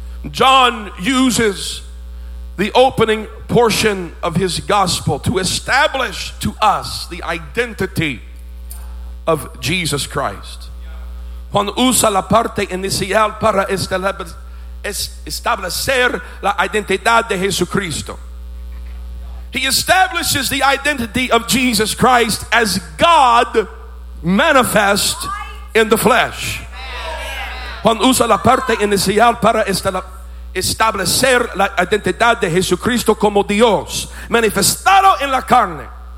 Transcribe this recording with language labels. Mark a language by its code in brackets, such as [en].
[en] John uses the opening portion of his gospel to establish to us the identity of Jesus Christ. [es] Juan usa la parte inicial para establecer la identidad de Jesucristo. [en] He establishes the identity of Jesus Christ as God manifest in the flesh. [es] Juan usa la parte inicial para establecer la identidad de Jesucristo como Dios manifestado en la carne.